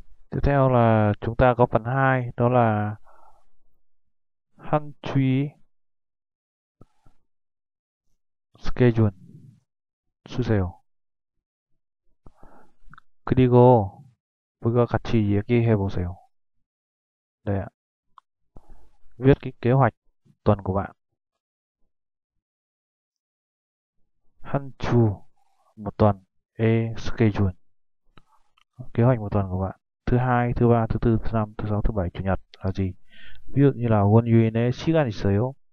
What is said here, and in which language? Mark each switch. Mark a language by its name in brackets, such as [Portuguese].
[Vietnamese] Tiếp theo là chúng ta có phần 2, đó là Hàn chuy schedule. [Korean] 주세요. 그리고 우리가 같이 얘기해 보세요. 네. [Vietnamese] Viết cái kế hoạch tuần của bạn. 한 주, một tuần, a schedule. Kế hoạch một tuần của bạn. Thứ hai, thứ ba, thứ tư, thứ năm, thứ sáu, thứ bảy, chủ nhật là gì? Ví dụ như là [Korean] 월요일에 시간 있어요?